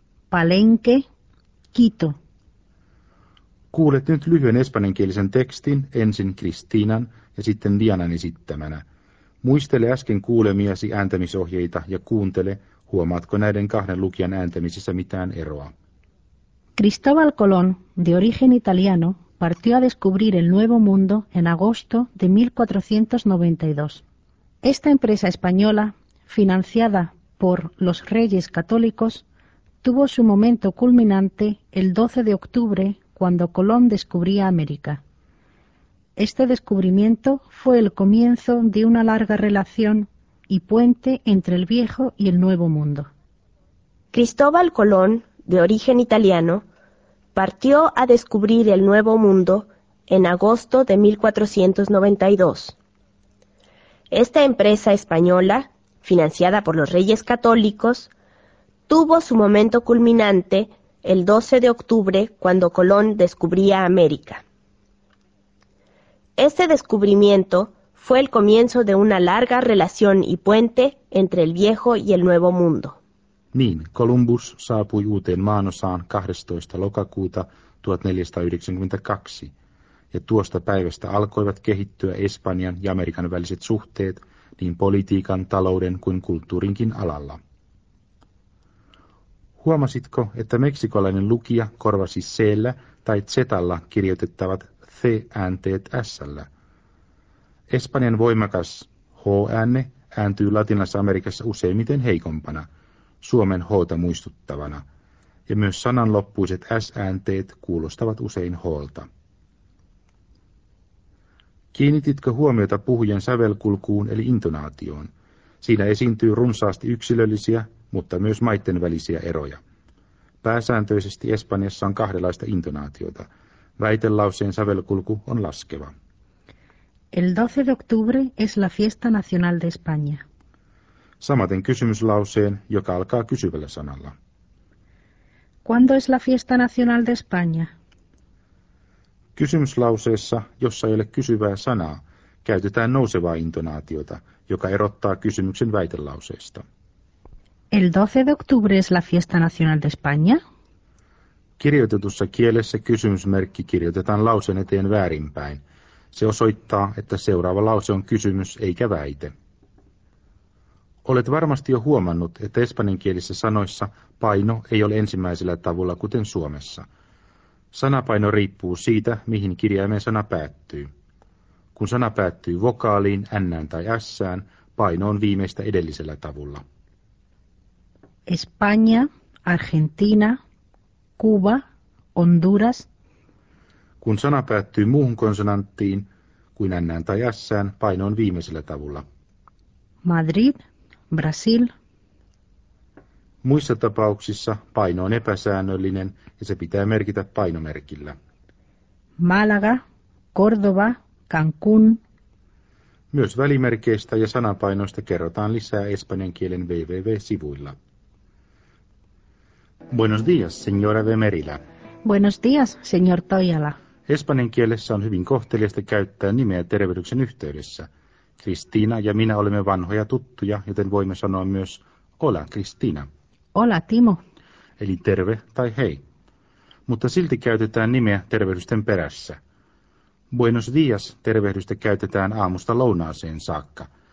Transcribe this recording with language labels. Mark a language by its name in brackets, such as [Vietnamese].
[Spanish] Palenque, Quito. [Finnish] Kuulet nyt lyhyen espanjankielisen tekstin, ensin Kristiinan ja sitten Dianan esittämänä. Muistele äsken kuulemiasi ääntämisohjeita ja kuuntele, huomaatko näiden kahden lukijan ääntämisessä mitään eroa. [Spanish] Cristóbal Colón, de origen italiano, partió a descubrir el Nuevo Mundo en agosto de 1492. Esta empresa española, financiada por los reyes católicos, tuvo su momento culminante el 12 de octubre cuando Colón descubría América. Este descubrimiento fue el comienzo de una larga relación y puente entre el viejo y el nuevo mundo. Cristóbal Colón, de origen italiano, partió a descubrir el nuevo mundo en agosto de 1492. Esta empresa española, financiada por los reyes católicos, tuvo su momento culminante el 12 de octubre cuando Colón descubría América. Este descubrimiento fue el comienzo de una larga relación y puente entre el viejo y el nuevo mundo. [Finnish] Niin, Columbus saapui uuteen maanosaan 12. lokakuuta 1492, ja tuosta päivästä alkoivat kehittyä Espanjan ja Amerikan väliset suhteet niin politiikan, talouden kuin kulttuurinkin alalla. Huomasitko, että meksikolainen lukija korvasi C:llä tai Z:llä kirjoitettavat C-äänteet S:llä. Espanjan voimakas H-äänne ääntyy Latinalaisessa Amerikassa useimmiten heikompana, Suomen H-ta muistuttavana, ja myös sananloppuiset S-äänteet kuulostavat usein H-lta. Kiinnititkö huomiota puhujan sävelkulkuun eli intonaatioon? Siinä esiintyy runsaasti yksilöllisiä, mutta myös maitten välisiä eroja. Pääsääntöisesti Espanjassa on kahdenlaista intonaatiota. Väitelauseen sävelkulku on laskeva. [Spanish] El 12 de octubre es la fiesta nacional de España. [Finnish] Samaten kysymyslauseen, joka alkaa kysyvällä sanalla. [Spanish] ¿Cuándo es la fiesta nacional de España? [Finnish] Kysymyslauseessa, jossa ei ole kysyvää sanaa, käytetään nousevaa intonaatiota, joka erottaa kysymyksen väitelauseesta. [Spanish] El 12 de octubre es la fiesta nacional de España. [Finnish] Kirjoitetussa kielessä kysymysmerkki kirjoitetaan lauseen eteen väärinpäin. Se osoittaa, että seuraava lause on kysymys eikä väite. Olet varmasti jo huomannut, että espanjankielisissä sanoissa paino ei ole ensimmäisellä tavulla kuten Suomessa. Sanapaino riippuu siitä, mihin kirjaimen sana päättyy. Kun sana päättyy vokaaliin, n-ään tai s-ään, paino on viimeistä edellisellä tavulla. [Spanish] España, Argentina, Cuba, Honduras. [Finnish] Kun sana päättyy muuhun konsonanttiin kuin n-ään tai s-ään, paino on viimeisellä tavulla. [Spanish] Madrid, Brasil. [Finnish] Muissa tapauksissa paino on epäsäännöllinen ja se pitää merkitä painomerkillä. [Spanish] Málaga, Córdoba, Cancún. [Finnish] Myös välimerkeistä ja sanapainoista kerrotaan lisää espanjan kielen www-sivuilla. [Spanish] Buenos días, señora de Merila. Buenos días, señor Toyala. [Finnish] Espanjan kielessä on hyvin kohteliasta käyttää nimeä tervehdyksen yhteydessä. Kristiina ja minä olemme vanhoja tuttuja, joten voimme sanoa myös [Spanish] hola, [Finnish] Kristiina. [Spanish] Hola, Timo. [Finnish] Eli terve tai hei. Mutta silti käytetään nimeä tervehdysten perässä. [Spanish] Buenos días, [Finnish] tervehdystä käytetään aamusta lounaaseen saakka.